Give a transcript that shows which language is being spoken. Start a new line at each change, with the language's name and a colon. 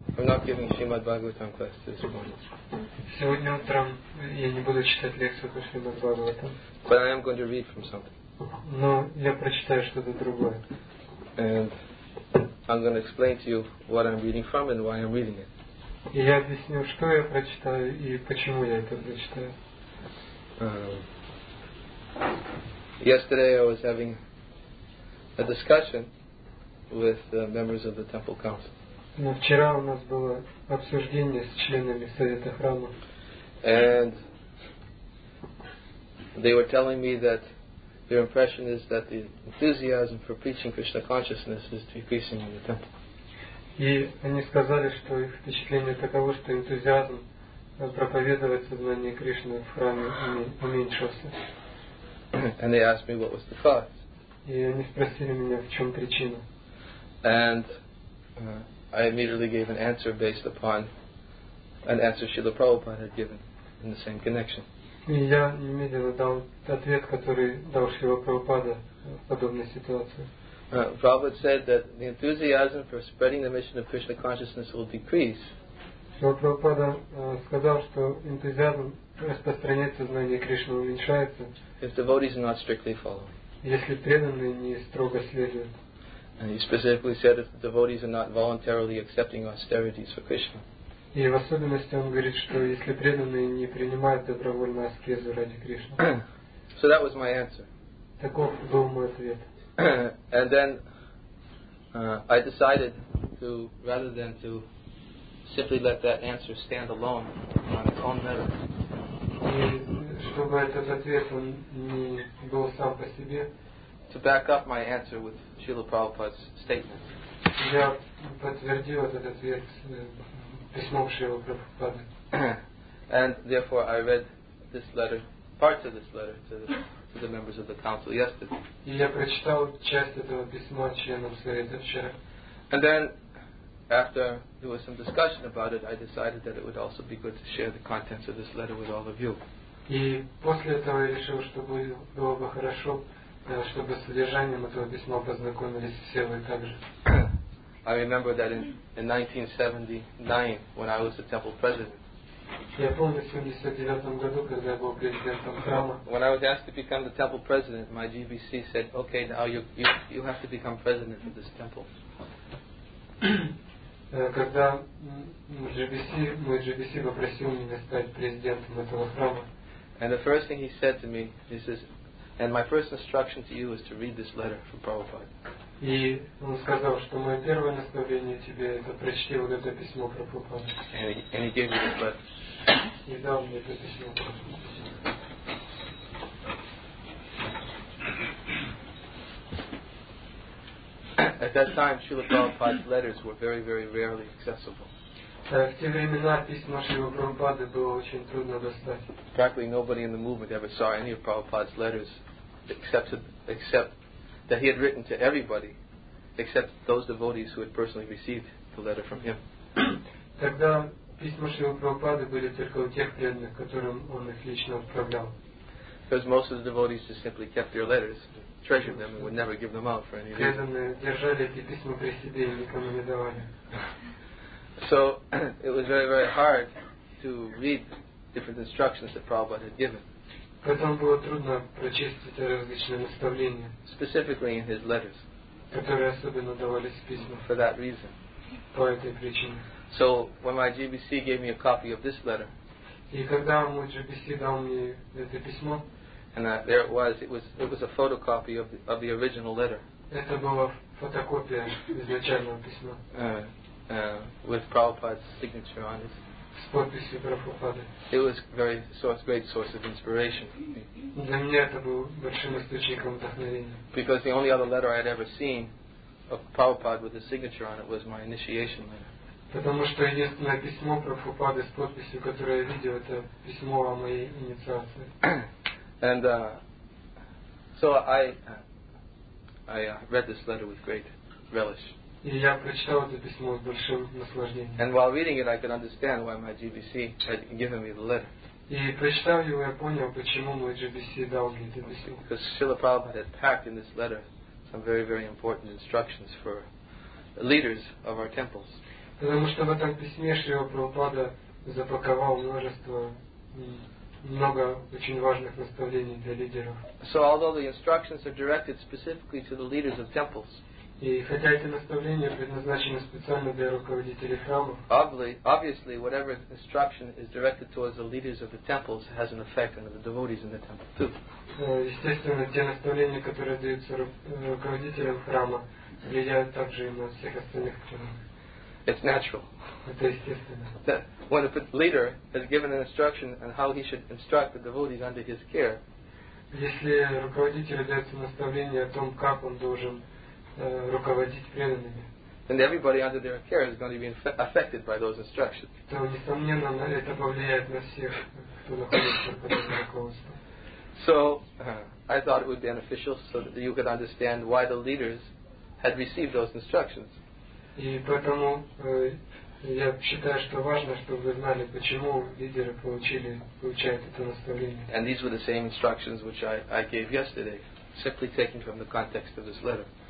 English: We're not giving Srimad Bhagavatam class this morning.
Russian: Сегодня утром я не буду читать лекцию по Шримад Бхагаватам.
English: But I am going to read from something.
Russian: Но я прочитаю что-то другое.
English: And I'm going to explain to you what I'm reading from and why I'm reading it.
Russian: И я объясню, что я прочитаю и почему я это прочитаю.
English: Yesterday I was having a discussion with the members of the temple council.
Russian: Но вчера у нас было обсуждение с членами совета храма.
English: And they were telling me that their impression is that the enthusiasm for preaching Krishna consciousness is decreasing in the temple.
Russian: И они сказали, что их впечатление таково, что энтузиазм проповедовать сознание Кришны в храме уменьшился.
English: And they asked me what was the cause.
Russian: И они спросили меня, в чем причина.
English: And I immediately gave an answer based upon an answer Srila Prabhupada had given in the same connection.
Russian: И я немедленно дал ответ, который дал Шрила Прабхупада в подобной ситуации.
English: Prabhupada said that the enthusiasm for spreading the mission of Krishna consciousness will decrease.
Russian: Шрила Прабхупада сказал, что энтузиазм распространять сознание Кришны уменьшается.
English: If devotees are not strictly following.
Russian: Если преданные не строго следуют.
English: And he specifically said if the devotees are not voluntarily accepting austerities for Krishna.
Russian: И в особенности он говорит, что если преданные не принимают добровольно аскезу ради Кришны.
English: So that was my answer.
Russian: Таков был мой ответ.
English: And then I decided to, rather than to simply let that answer stand alone on its own merits.
Russian: И чтобы этот ответ он не был сам по себе.
English: To back up my answer with Srila Prabhupada's statement.
Russian: Я подтвердил этот ответ письмом Шрилы Прабхупады.
English: And therefore I read this letter, parts of this letter to the members of the council yesterday.
Russian: Я прочитал часть этого письма членам совета вчера.
English: And then after there was some discussion about it, I decided that it would also be good to share the contents of this letter with all of you.
Russian: И после этого я решил, что было бы хорошо, чтобы с содержанием этого письма познакомились все вы также.
English: I remember that in 1979, when I was the temple president.
Russian: Я помню, в 79 году, когда я был президентом храма.
English: When I was asked to become the temple president, my GBC said, "Okay, now you have to become president of this temple."
Russian: Когда мой GBC попросил меня стать президентом этого храма.
English: And the first thing he said to me, he says, "And my first instruction to you is to read this letter from Prabhupada."
Russian: И он сказал, что мое первое наставление тебе это прочти вот это письмо Прабхупады.
English: And he gave me this letter.
Russian: И дал мне это письмо.
English: At that time, Srila Prabhupada's letters were very, very rarely accessible.
Russian: В те времена письма Шрилы Прабхупады было очень трудно достать.
English: Practically nobody in the movement ever saw any of Prabhupada's letters, except that he had written to everybody, except those devotees who had personally received the letter from him.
Russian: Тогда письма Шрилы Прабхупады были только у тех преданных, которым он их лично отправлял.
English: Because most of the devotees just simply kept their letters, treasured them, and would never give them out for any reason.
Russian: Преданные держали эти письма при себе и никому не давали.
English: So it was very, very hard to read different instructions that Prabhupada had given.
Russian: Поэтому было трудно прочесть эти различные наставления.
English: Specifically in his letters.
Russian: Которые особенно давались в письмах.
English: For that reason.
Russian: По этой причине.
English: So when my GBC gave me a copy of this letter.
Russian: И когда мой GBC дал мне это письмо.
English: And there it was. It was a photocopy of the original letter.
Russian: Это была фотокопия изначального письма.
English: With Prabhupada's signature on it.
Russian: С подписью Прабхупады.
English: It was very source, great source of inspiration for me.
Russian: Для меня это был большим источником вдохновения.
English: Because the only other letter I had ever seen of Prabhupada with his signature on it was my initiation letter.
Russian: Потому что единственное письмо Прабхупады с подписью, которое я видел, это письмо о моей инициации.
English: And so I read this letter with great relish.
Russian: И я прочитал это письмо с большим наслаждением.
English: And while reading it, I could understand why my GBC had given me the letter.
Russian: И прочитав его, я понял, почему мой GBC дал мне это письмо.
English: Because Srila Prabhupada had packed in this letter some very, very important instructions for leaders of our temples.
Russian: Потому что в этом письме Шрила Прабхупада запаковал множество, много очень важных наставлений для лидеров.
English: So although the instructions are directed specifically to the leaders of temples,
Russian: и хотя эти наставления предназначены специально для руководителей храмов,
English: obviously, whatever instruction is directed towards the leaders of the temples has an effect on the devotees in the temple too.
Russian: Естественно, те наставления, которые даются руководителям храма, влияют также и на всех остальных членов.
English: It's natural.
Russian: Это естественно.
English: When a leader has given an instruction on how he should instruct the devotees under his care,
Russian: если руководителю дается наставление о том, как он должен руководить преданными,
English: then everybody under their care is going to be affected by those instructions.
Russian: То, несомненно, это повлияет на всех, кто находится под этим руководством.
English: So, I thought it would be beneficial so that you could understand why the leaders had received those instructions.
Russian: И поэтому я считаю, что важно, чтобы вы знали, почему лидеры получают это наставление.
English: And these were the same instructions which I gave yesterday, simply taken from the context of this letter.